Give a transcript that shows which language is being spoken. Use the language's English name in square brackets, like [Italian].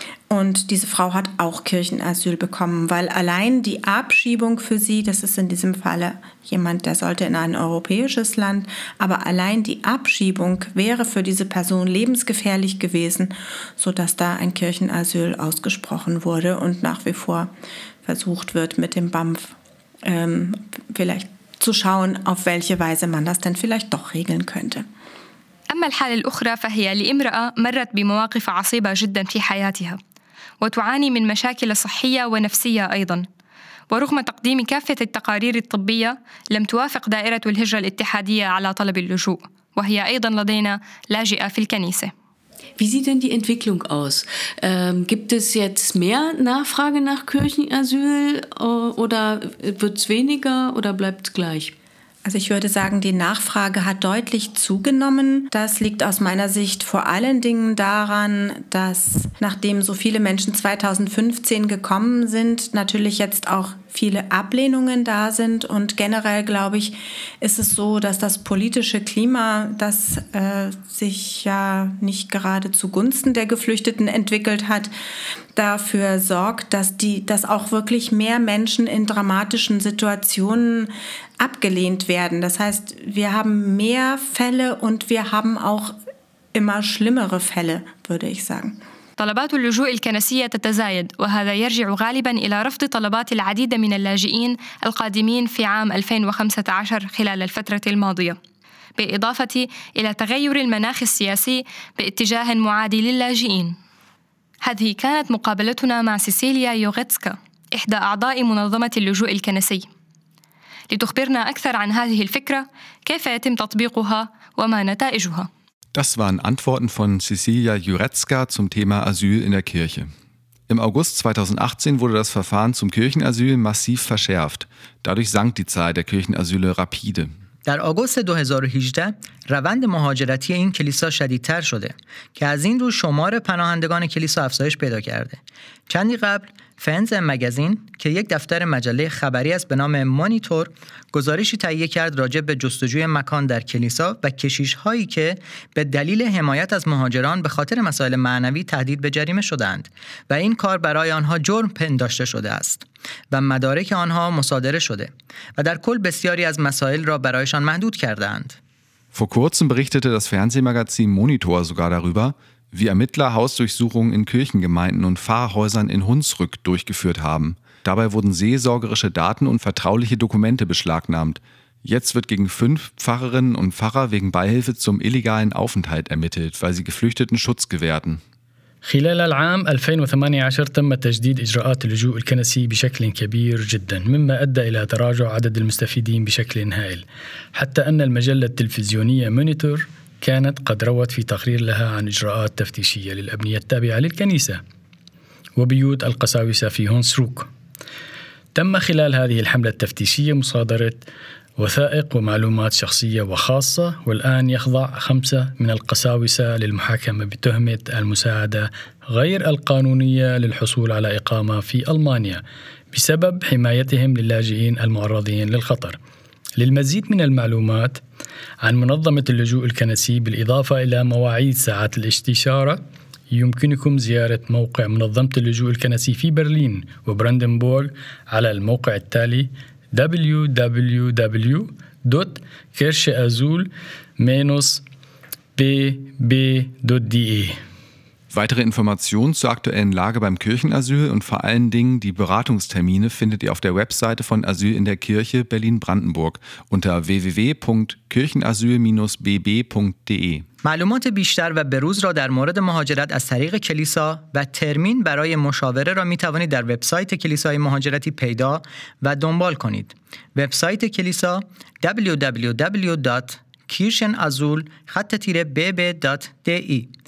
[German] Und diese Frau hat auch Kirchenasyl bekommen, weil allein die Abschiebung für sie, das ist in diesem Falle jemand, der sollte in ein europäisches Land, aber allein die Abschiebung wäre für diese Person lebensgefährlich gewesen, sodass da ein Kirchenasyl ausgesprochen wurde und nach wie vor versucht wird, mit dem BAMF vielleicht zu schauen, auf welche Weise man das denn vielleicht doch regeln könnte. [Arabic] أما الحالة الأخرى فهي لامرأة مرت بمواقف عصيبة جدا في حياتها وتعاني من مشاكل صحية ونفسية أيضا ورغم تقديم كافة التقارير الطبية لم توافق دائرة الهجرة الاتحادية على طلب اللجوء وهي أيضا لدينا لاجئة في الكنيسة. [German] Wie sieht denn die Entwicklung aus? Gibt es jetzt mehr Nachfrage nach Kirchenasyl oder wird's weniger oder bleibt's gleich? Also ich würde sagen, die Nachfrage hat deutlich zugenommen. Das liegt aus meiner Sicht vor allen Dingen daran, dass nachdem so viele Menschen 2015 gekommen sind, natürlich jetzt auch viele Ablehnungen da sind. Und generell, glaube ich, ist es so, dass das politische Klima, das sich ja nicht gerade zugunsten der Geflüchteten entwickelt hat, dafür sorgt, dass auch wirklich mehr Menschen in dramatischen Situationen abgelehnt werden. Das heißt, wir haben mehr Fälle und wir haben auch immer schlimmere Fälle, würde ich sagen. [Arabic] طلبات اللجوء الكنسية تتزايد وهذا يرجع غالبا إلى رفض طلبات العديد من اللاجئين القادمين في عام 2015 خلال الفترة الماضية بإضافة إلى تغير المناخ السياسي باتجاه معادي للاجئين. هذه كانت مقابلتنا مع سيسيليا يوغيتسكا إحدى أعضاء منظمة اللجوء الكنسي لتخبرنا أكثر عن هذه الفكرة كيف يتم تطبيقها وما نتائجها. [German] Das waren Antworten von Cecilia Jurecka zum Thema Asyl in der Kirche. Im August 2018 wurde das Verfahren zum Kirchenasyl massiv verschärft. Dadurch sank die Zahl der Kirchenasyle rapide. [Persian] در آگوست 2018 روند مهاجرتی این کلیسا شدیدتر شده که از این رو شمار پناهندگان کلیسا افزایش پیدا کرده. چندی قبل فنز مگزین که یک دفتر مجله خبری است به نام مانیتور گزارشی تهیه کرد راجع به جستجوی مکان در کلیسا و کشیش هایی که به دلیل حمایت از مهاجران به خاطر مسائل معنوی تهدید به جریمه شدند و این کار برای آنها جرم پنداشته شده است و مدارک آنها مصادره شده و در کل بسیاری از مسائل را برایشان محدود کردند. [German] Vor kurzem berichtete das Fernsehmagazin Monitor sogar darüber, wie Ermittler Hausdurchsuchungen in Kirchengemeinden und Pfarrhäusern in Hunsrück durchgeführt haben. Dabei wurden seelsorgerische Daten und vertrauliche Dokumente beschlagnahmt. Jetzt wird gegen 5 Pfarrerinnen und Pfarrer wegen Beihilfe zum illegalen Aufenthalt ermittelt, weil sie Geflüchteten Schutz gewährten. [Arabic] خلال العام 2018 تم تجديد إجراءات اللجوء الكنسي بشكل كبير جدا مما أدى إلى تراجع عدد المستفيدين بشكل هائل حتى أن المجلة التلفزيونية مونيتور كانت قد روت في تقرير لها عن إجراءات تفتيشية للأبنية التابعة للكنيسة وبيوت القساوسة في هونسروك. تم خلال هذه الحملة التفتيشية مصادرة وثائق ومعلومات شخصية وخاصة والآن يخضع 5 من القساوسة للمحاكمة بتهمة المساعدة غير القانونية للحصول على إقامة في ألمانيا بسبب حمايتهم للاجئين المعرضين للخطر. للمزيد من المعلومات عن منظمة اللجوء الكنسي بالإضافة إلى مواعيد ساعات الاستشارة يمكنكم زيارة موقع منظمة اللجوء الكنسي في برلين وبراندنبورغ على الموقع التالي www.kircheasyl-bb.de. [German] Weitere Informationen zur aktuellen Lage beim Kirchenasyl und vor allen Dingen die Beratungstermine findet ihr auf der Webseite von Asyl in der Kirche Berlin-Brandenburg unter www.kirchenasyl-bb.de. [Persian] معلومات بیشتر و بروز را در مورد مهاجرت از طریق کلیسا و ترمین برای مشاوره را می توانید در وبسایت کلیسای مهاجرتی پیدا و دنبال کنید. وبسایت کلیسا www.kirchenasyl-bb.de.